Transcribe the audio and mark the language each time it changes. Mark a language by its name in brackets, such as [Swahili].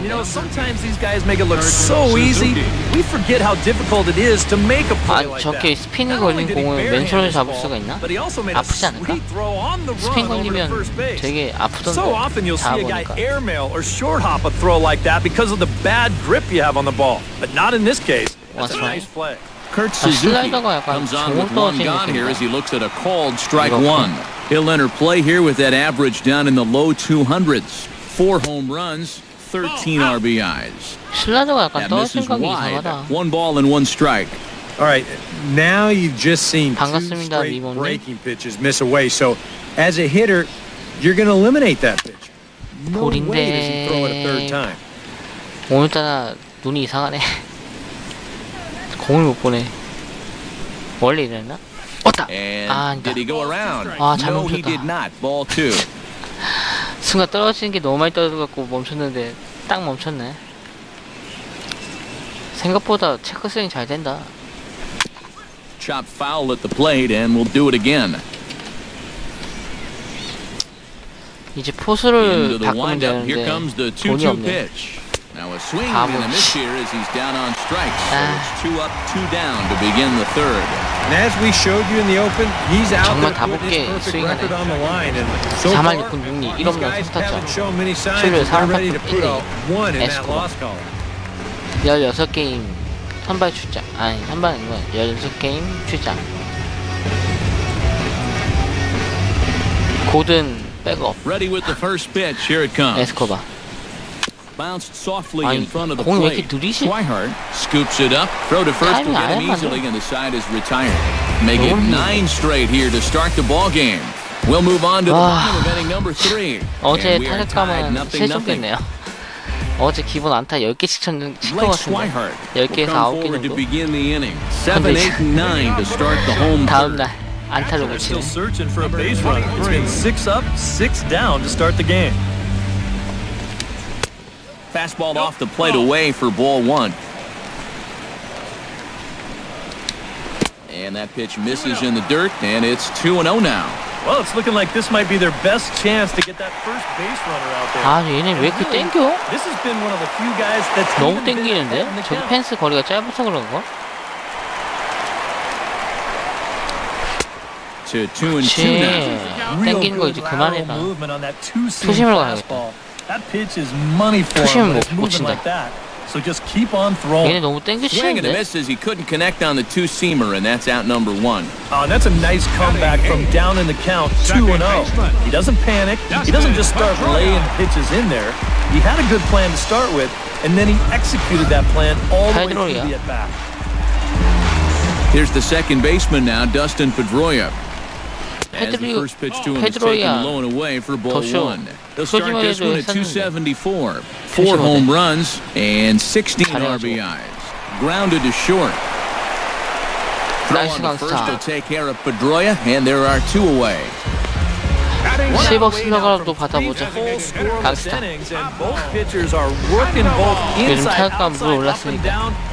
[English] You know, sometimes these guys make it look so easy. We forget how difficult it is to make a play like that. [Korean] 아, 저렇게 스핀이 걸린 공을 맨손으로 잡을 수가 있나? 아프지 않을까? 스핀 걸리면 되게 아프던데. [English] So often you'll see a guy airmail or short hop a throw like that because of the bad grip you have on the ball. But not in this case. That's a nice play. Kurt Suzuki comes on with one gone here as he looks at a called strike one. He'll enter play here with that average down in the low 200s. Four home runs, 13 RBIs. That misses wide. One ball and one strike. All right, now you've just seen two straight breaking pitches miss away. So as a hitter, you're going to eliminate that pitch. No way does he throw it a third time. [Korean] 오늘따라 눈이 이상하네. 공을 못 보네. 원래 이랬나? 왔다. 아, 잘못 쳤다. 순간 떨어지는 게 너무 많이 떨어져서 멈췄는데 딱 멈췄네. 생각보다 체크 스윙 잘 된다. [English] Chop foul at the plate and we'll do it again. [Korean] 이제 포수를 바꾸면 되는데 돈이 없네. [English] Now a swing and a miss here as he's down on strikes. So it's two up, two down to begin the third. And as we showed you in the open, he's out there with his perfect record on the line. And so far, these guys haven't shown many signs that they're ready to put up one in that loss column. [Korean] 16 게임 선발 출장. 아니, 선발은 뭐야? 16 게임 출장. 고든 백업. [English] Ready with the first pitch. Here it comes. [Korean] 에스코바. [English] Bounced softly [Korean] 아니, [English] in front of the plate. Swihart scoops it up. Throw to first will get him easily, and the side is retired. Make it nine straight here to start the ball game. We'll move on to the bottom of inning number three. [Korean] 어제 타격감은 세졌겠네요. 어제 기본 안타 10개씩 쳤는 것 같은데. 10개에서 9개는 또. 근데 지금 다음날 안타를 붙이네. [English] Fastball off the plate away for ball one. And that pitch misses in the dirt, and it's 2-0 now. Well, it's looking like this might be their best chance to get that first base runner out there. [Korean] 아, 얘네 왜 이렇게 땡겨? [English] This has been one of the few guys that's [Korean] 너무 땡기는데? 저기 펜스 거리가 짧아서 그런 거? [English] To 2-2 now. [Korean] 땡기는 거 이제 그만해라. 투심으로 가야겠다. [English] That pitch is money for him. Moving like that. So just keep on throwing. [Korean] 얘네 너무 땡기시는데. [English] Swing and a miss as he couldn't connect on the two seamer, and that's out number one. Oh, that's a nice comeback from down in the count, 2-0. He doesn't panic. He doesn't just start laying pitches in there. He had a good plan to start with, and then he executed that plan all the way through the at bat. Here's the second baseman now, Dustin Pedroia. As the first pitch to him is taken low and away for ball one. He'll start this one at 274. Four home runs and 16 RBIs. Grounded to short. Throw on the first to take care of Pedroia, and there are two away. [Korean] 10억 승낙으로도 받아보자. 갑시다. 요즘 타격감 물 올랐으니까.